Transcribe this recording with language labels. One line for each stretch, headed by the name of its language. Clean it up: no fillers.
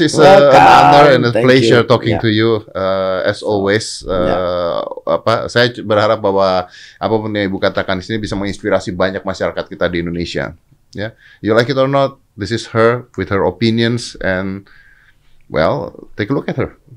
English: It's an honor and a pleasure talking to you as always.
Indonesian: Saya berharap bahwa apapun yang ibu katakan di sini bisa menginspirasi banyak masyarakat kita di Indonesia.
English: Yeah, you like it or not, this is her with her opinions and well, take a look at her.